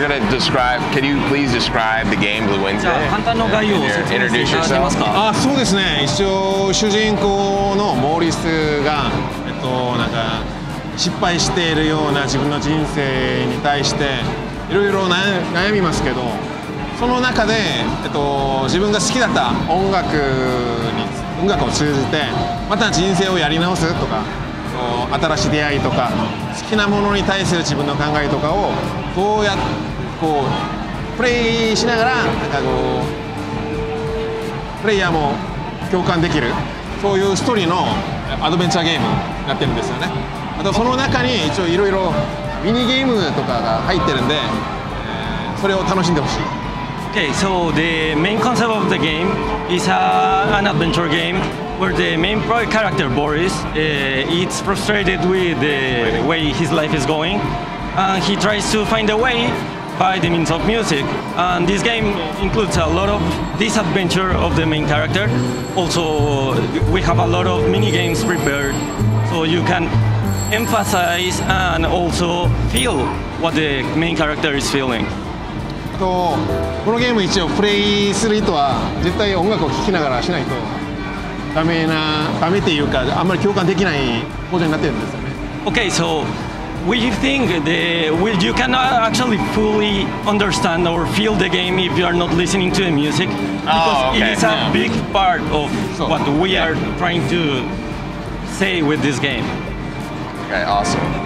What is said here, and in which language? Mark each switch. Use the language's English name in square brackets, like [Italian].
[English] describe, can you please describe the game Blue Wednesday? [Japanese] じゃあ簡単の概要を説明していただけますか。あ、そうですね。一応主人公のモーリスがなんか失敗しているような自分の人生に対していろいろ悩みますけど、その中で自分が好きだった音楽に音楽を通じてまた人生をやり直すとか、新しい出会いとか好きなものに対する自分の考えとかをどうやこうプレイしながらなんかこうプレイヤーも共感できるそういうストーリーのアドベンチャーゲームになってるんですよね。あとその中に一応いろいろミニゲームとかが入ってるんで、それを楽しんでほしい。 [English] Okay, so the main concept of the game is an adventure game where the main character Boris is frustrated with the way his life is going, and he tries to find a way by the means of music. And this game includes a lot of this adventure of the main character. Also, we have a lot of mini games prepared, so you can emphasize and also feel what the main character is feeling. [Japanese] とこのゲーム一応プレイする人は絶対音楽を聴きながらしないとダメな、ダメっていうかあんまり共感できない構図になってるんですよね。 [English] Okay, so we think that you cannot actually fully understand or feel the game if you are not listening to the music because、 oh, okay. it is a big part of what we are trying to say with this game. Okay, awesome.